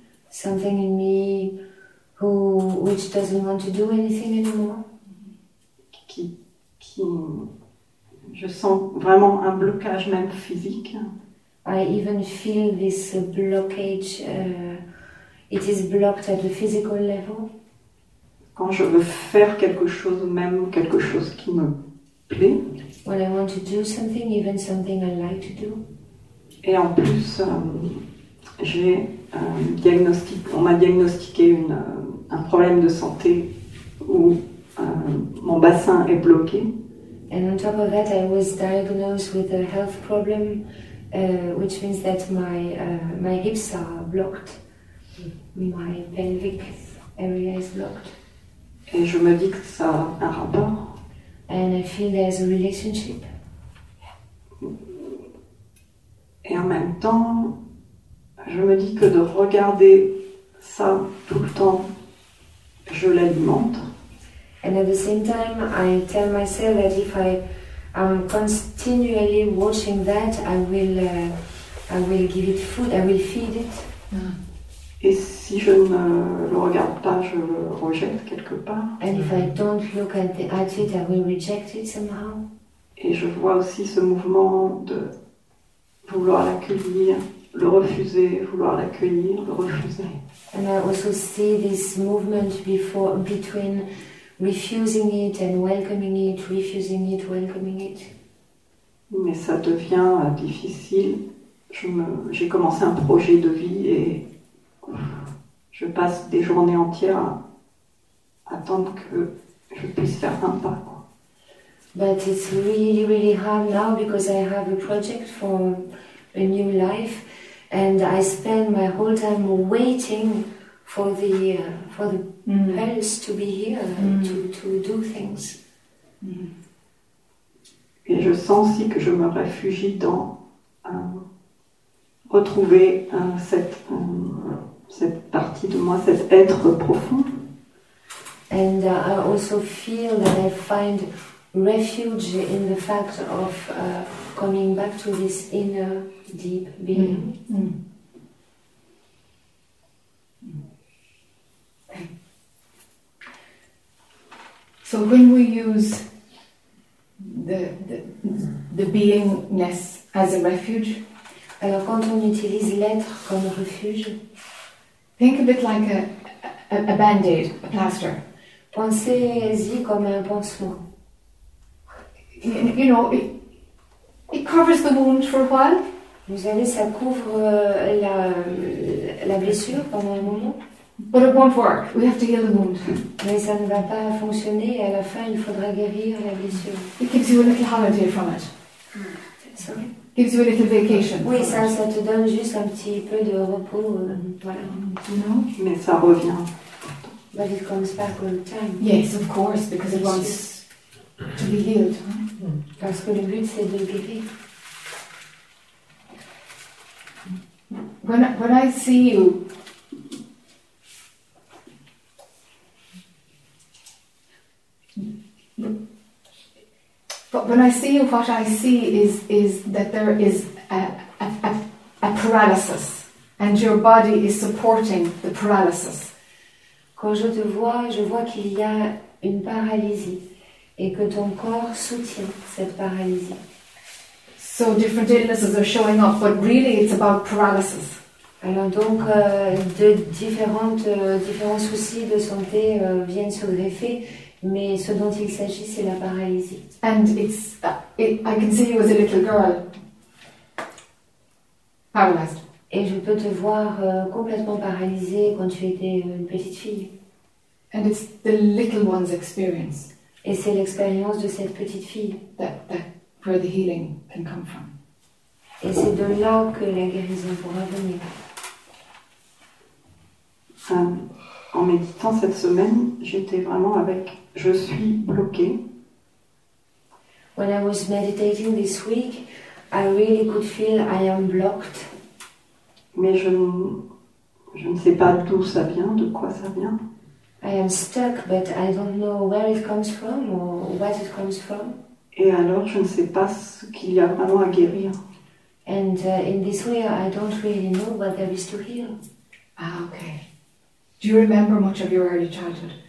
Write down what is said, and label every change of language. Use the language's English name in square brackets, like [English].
[English] Something in me which doesn't want to do anything anymore. [French] Qui je sens vraiment un blocage même physique. [English] I even feel this blockage. It is blocked at the physical level. [French] Quand je veux faire quelque chose, même quelque chose qui me plaît. [English] When I want to do something, even something I like to do. [French] Et en plus, j'ai on m'a diagnostiqué un problème de santé où mon bassin est bloqué. [English] And on top of that, I was diagnosed with a health problem, which means that my hips are blocked, my pelvic area is blocked. [French] Et je me dis que ça a un rapport. [English] And I feel there's a relationship. [French] Et en même temps, je me dis que de regarder ça tout le temps, je l'alimente. [English] And at the same time, I tell myself that if I am continually watching that, I will give it food, I will feed it. [French] Et si je ne le regarde pas, je le rejette quelque part. [English] And if I don't look at it, I will reject it somehow. [French] Et je vois aussi ce mouvement de vouloir l'accueillir, le refuser, vouloir l'accueillir, le refuser. [English] And I also see this movement between refusing it and welcoming it, refusing it, welcoming it. [French] Mais ça devient difficile. J'ai commencé un projet de vie et je passe des journées entières à attendre que je puisse faire un pas. [English] But it's really, really hard now because I have a project for a new life, and I spend my whole time waiting for the pulse to be here to do things. [French] Et je sens aussi que je me réfugie dans retrouver cette partie de moi, cet être profond. [English] And I also feel that I find refuge in the fact of coming back to this inner deep being. So when we use the beingness as a refuge, [French] alors quand on utilise l'être comme refuge, [English] think a bit like a band-aid, a plaster. [French] Pensez-y comme un pansement. [English] You know, it covers the wound for a while. [French] Vous savez, ça couvre la blessure pendant un moment. [English] But it won't work. We have to heal the wound. [French] Mais ça ne va pas fonctionner. À la fin, il faudra guérir la blessure. [English] It gives you a little holiday from it. Sorry. Gives you a little vacation. [French] Oui, ça te donne juste un petit peu de repos. Voilà. [English] You know? [French] Mais ça revient. [English] But it comes back all the time. Yes, of course, because it wants to be healed. Hein? Mm. [French] Parce que le but, c'est de guérir. [English] When I see you, but when I see you, what I see is that there is a paralysis, and your body is supporting the paralysis. [French] Quand je vois qu'il y a une paralysie, et que ton corps soutient cette paralysie. [English] So different illnesses are showing up, but really it's about paralysis. [French] Alors donc, de différents soucis de santé viennent se greffer, mais ce dont il s'agit, c'est la paralysie. [English] And it's, I can see you as a little girl, paralyzed. [French] Et je peux te voir complètement paralysée quand tu étais une petite fille. [English] And it's the little one's experience. [French] Et c'est l'expérience de cette petite fille. [English] That where the healing can come from. [French] Et c'est de là que la guérison pourra venir. En méditant cette semaine, j'étais vraiment avec je suis bloquée. [English] When I was meditating this week, I really could feel I am blocked. [French] Mais je ne sais pas d'où ça vient, de quoi ça vient. [English] I am stuck, but I don't know where it comes from or what it comes from. [French] Et alors, je ne sais pas ce qu'il y a vraiment à guérir. [English] And in this way, I don't really know what there is to heal. Ah, okay. Do you remember much of your early childhood?